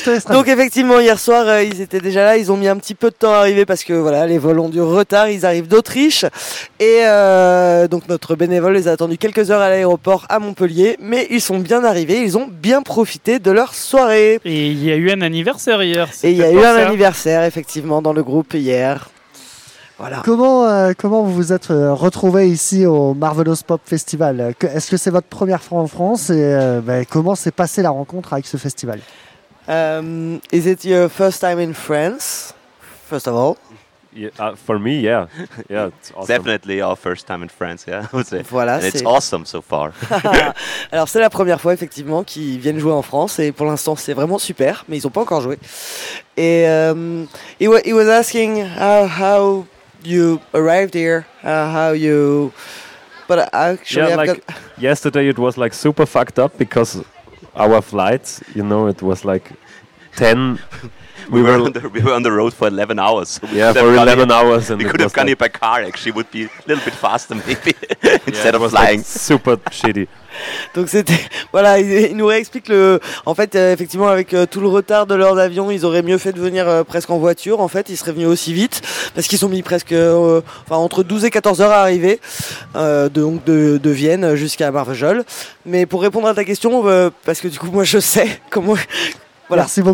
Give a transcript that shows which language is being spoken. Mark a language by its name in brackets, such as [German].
[French] Donc effectivement hier soir ils étaient déjà là, ils ont mis un petit peu de temps à arriver parce que voilà, les vols ont du retard, ils arrivent d'Autriche et donc notre bénévole les a attendus quelques heures à l'aéroport à Montpellier, mais ils sont bien arrivés, ils ont bien profité de leur soirée. Et il y a eu un anniversaire hier. Et il y a eu un anniversaire effectivement dans le groupe hier. Voilà. Comment vous vous êtes retrouvés ici au Marvelous Pop Festival? Est-ce que c'est votre première fois en France et comment s'est passée la rencontre avec ce festival? [English] Is it your first time in France, first of all? For me, yeah. Yeah, it's awesome. Definitely our first time in France, yeah. [French] Voilà, [English] and it's awesome so far. [French] Alors, c'est la première fois, effectivement, qu'ils viennent jouer en France. Et pour l'instant, c'est vraiment super, mais ils n'ont pas encore joué. [English] Et he was asking how you arrived here, how you... But actually, yeah, I've like got... Yesterday, it was like super fucked up because our flight, you know, it was like 10... We were on the road for 11 hours. So yeah, for 11 hours. We could have gone here by car, actually. Would be a little bit faster, maybe, instead of flying. Like super shitty. [French] Donc, c'était... Voilà, il nous réexplique le... En fait, effectivement, avec tout le retard de leurs avions, ils auraient mieux fait de venir presque en voiture. En fait, ils seraient venus aussi vite, parce qu'ils sont mis presque... Enfin, entre 12 et 14 heures à arriver, donc de Vienne jusqu'à Marvejols. Mais pour répondre à ta question, parce que du coup, moi, je sais comment... Voilà, c'est bon.